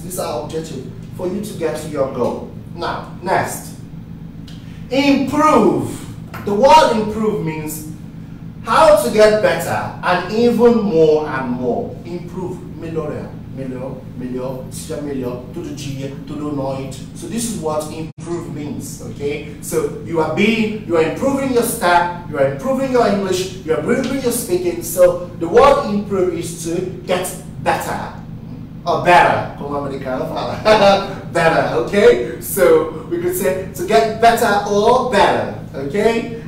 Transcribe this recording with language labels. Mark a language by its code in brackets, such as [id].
[en] These are objectives for you to get to your goal. Now, next. Improve. The word improve means how to get better and even more and more. Improve. [pt] Melhorar. Melhor, melhor, seja melhor, todo dia, todo noite. [en] So this is what improve means, okay? So you are being, you are improving your step, you are improving your English, you are improving your speaking. So the word improve is to get better. Or better, [pt] como americano fala. [en] Better, okay? So we could say to get better or better, okay?